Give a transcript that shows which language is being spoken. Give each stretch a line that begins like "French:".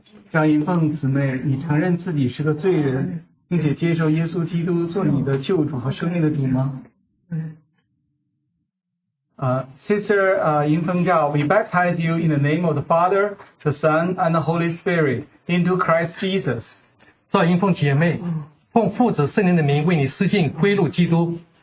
Chinese: 张银凤姊妹，你承认自己是个罪人，并且接受耶稣基督做你的救主和生命的主吗？
English: Sister, Yingfengzhao, we baptize you in the name of the Father, the Son, and the Holy Spirit into Christ Jesus.
Chinese: 赵银凤姐妹，奉父子圣灵的名为你施浸归入基督。